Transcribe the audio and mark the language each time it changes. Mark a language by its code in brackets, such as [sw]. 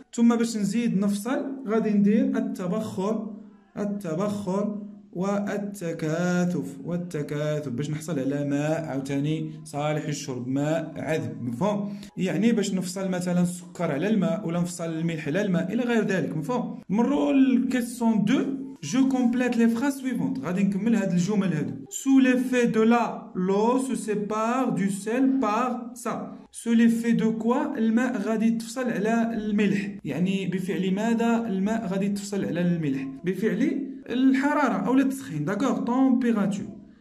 [ar] ثم باش نزيد نفصل غادي ندير التبخر، التبخر والتكاثف، والتكاثف باش نحصل على ماء عاوتاني صالح للشرب، ماء عذب، مفهوم؟ يعني باش نفصل مثلا السكر على الماء، ولا نفصل الملح على الماء، الى غير ذلك، مفهوم؟ [fr] مرو الكيسيون دو، Je complète les phrases suivantes. [ar] غادي نكمل هاد الجمل هادو. [fr] Sous l'effet de la, l'eau se sépare du sel par ça. Sous l'effet de quoi, [ar] الماء غادي تفصل على الملح. يعني بفعل ماذا الماء غادي تفصل على الملح؟ بفعل الحرارة أو التسخين. [fr] داكوغ، temperature.